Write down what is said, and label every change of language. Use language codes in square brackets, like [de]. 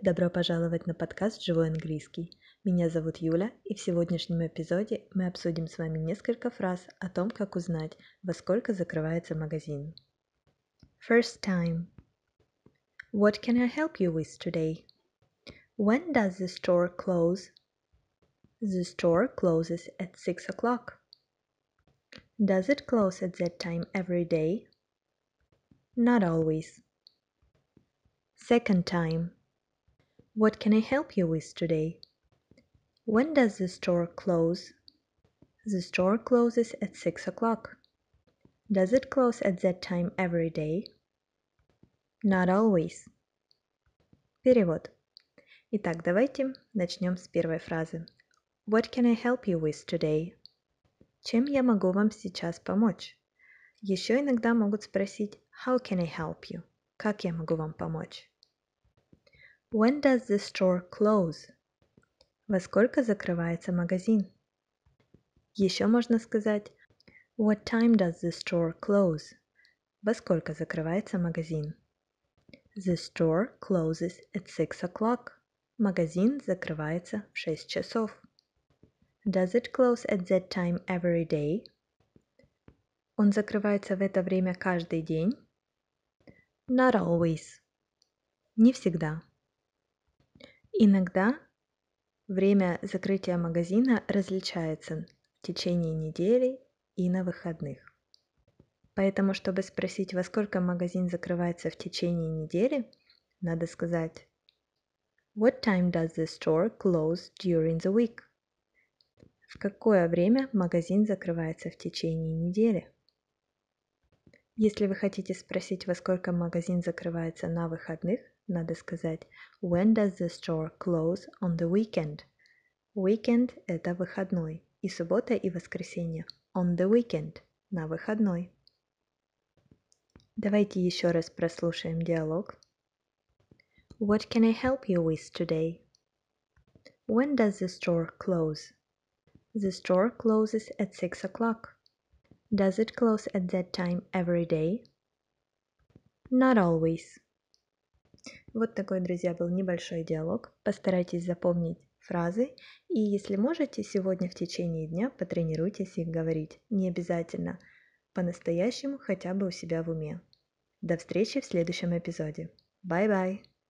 [ru] Добро пожаловать на подкаст «Живой английский». Меня зовут Юля, и в сегодняшнем эпизоде мы обсудим с вами несколько фраз о том, как узнать, во сколько закрывается магазин. [en] First time. What can I help you with today? When does the store close? The store closes at 6 o'clock. Does it close at that time every day? Not always. Second time. What can I help you with today? When does the store close? The store closes at 6 o'clock. Does it close at that time every day? Not always. [ru] Перевод. Итак, давайте начнем с первой фразы. [en] What can I help you with today? [ru] Чем я могу вам сейчас помочь? Еще иногда могут спросить, [en] how can I help you? [ru] Как я могу вам помочь? [en] When does the store close? [ru] Во сколько закрывается магазин? Еще можно сказать [en] What time does the store close? [ru] Во сколько закрывается магазин? [en] The store closes at 6 o'clock. [ru] Магазин закрывается в 6 часов. [en] Does it close at that time every day? [ru] Он закрывается в это время каждый день? [en] Not always. [ru] Не всегда. Иногда время закрытия магазина различается в течение недели и на выходных. Поэтому, чтобы спросить, во сколько магазин закрывается в течение недели, надо сказать [en] What time does the store close during the week? [ru] В какое время магазин закрывается в течение недели? Если вы хотите спросить, во сколько магазин закрывается на выходных, надо сказать [en] When does the store close on the weekend? [ru] Weekend – это выходной. И суббота, и воскресенье. [en] On the weekend – [ru] на выходной. Давайте еще раз прослушаем диалог. What can I help you with today? When does the store close? The store closes at 6 o'clock. Does it close at that time every day? Not always. Вот такой, друзья, был небольшой диалог. Постарайтесь запомнить фразы. И если можете, сегодня в течение дня потренируйтесь их говорить. Не обязательно. По-настоящему, хотя бы у себя в уме. До встречи в следующем эпизоде. [en] Bye-bye!